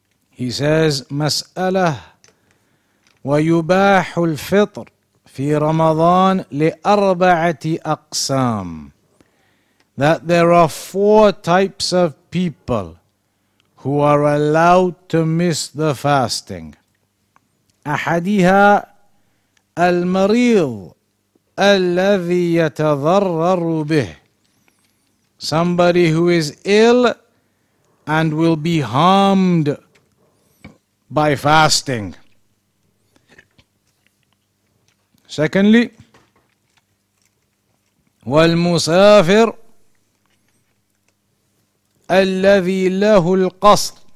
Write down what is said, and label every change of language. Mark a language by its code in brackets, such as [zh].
[en] He says, [ar] مَسْأَلَهُ وَيُبَاحُ الْفِطْرِ فِي رَمَضَانِ لِأَرْبَعَةِ أَقْسَامٍ. [en] That there are four types of people who are allowed to miss the fasting. [ar] أحدها المريض الذي يتضرر به. [en] Somebody who is ill and will be harmed by fasting. Secondly, [ar] والمسافر الذي له القصر.